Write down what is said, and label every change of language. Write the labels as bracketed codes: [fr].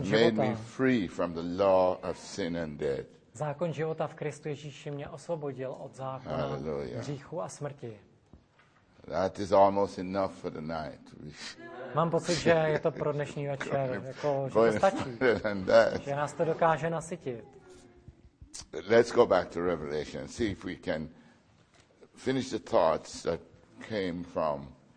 [en] has made me free from the law of sin and death. [cs] Zákon života v Kristu Ježíši mě osvobodil od zákona hříchu a smrti. [en] That is almost enough for the night. [cs] Mám pocit, že je to pro dnešní večer, jako, že to stačí, že nás to dokáže nasytit. [en] Let's go back to Revelation and see if we can finish the thoughts that came from